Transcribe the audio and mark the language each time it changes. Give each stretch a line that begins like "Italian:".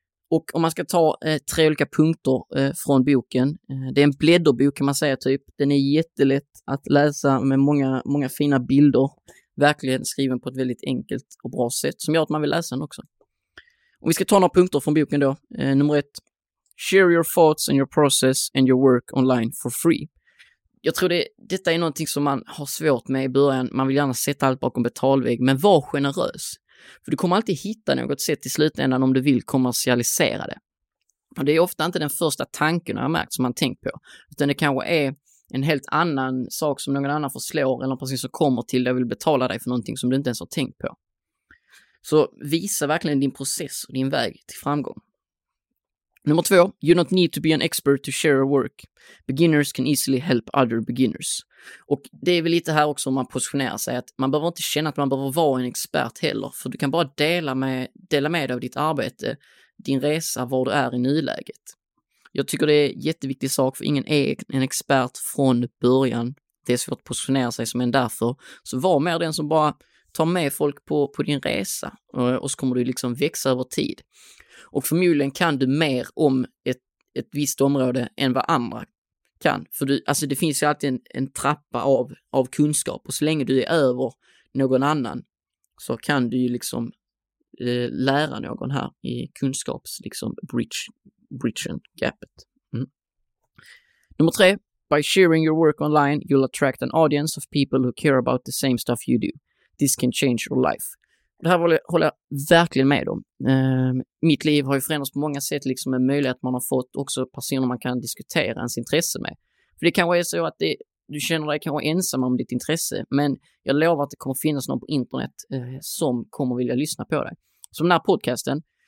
Swedish: Och om man ska ta tre olika punkter från boken, det är en blädderbok kan man säga typ. Den är jättelätt att läsa med många, många fina bilder. Verkligen skriven på ett väldigt enkelt och bra sätt som gör att man vill läsa den också. Och vi ska ta några punkter från boken då. Nummer ett:
English: share your thoughts and your process and your work online for free.
Swedish: Jag tror detta är någonting som man har svårt med i början. Man vill gärna sätta allt bakom betalvägg, men var generös. För du kommer alltid hitta något sätt i slutändan om du vill kommersialisera det. Och det är ofta inte den första tanken jag har märkt som man tänkt på. Utan det kanske är en helt annan sak som någon annan får slå eller precis som kommer till dig vill betala dig för någonting som du inte ens har tänkt på. Så visa verkligen din process och din väg till framgång. Nummer 2.
English: You don't need to be an expert to share your work. Beginners can easily help other beginners.
Swedish: Och det är väl lite här också om man positionerar sig. Att man behöver inte känna att man behöver vara en expert heller. För du kan bara dela med dig av ditt arbete, din resa, var du är i nuläget. Jag tycker det är en jätteviktig sak, för ingen är en expert från början. Det är svårt att positionera sig som en därför. Så var mer den som bara tar med folk på din resa. Och så kommer du liksom växa över tid. Och förmodligen kan du mer om ett visst område än vad andra kan. För det finns ju alltid en trappa av kunskap. Och så länge du är över någon annan så kan du ju liksom lära någon här i kunskaps, liksom bridgen, gapet. Mm. Nummer 3.
English: By sharing your work online you'll attract an audience of people who care about the same stuff you do. This can change your life.
Swedish: Det här håller jag verkligen med om. Mitt liv har ju förändrats på många sätt, liksom en möjlighet man har fått också personer man kan diskutera ens intresse med. För det kan vara så att du känner dig kanske ensam om ditt intresse, men jag lovar att det kommer finnas någon på internet som kommer vilja lyssna på dig. Som den här podcasten.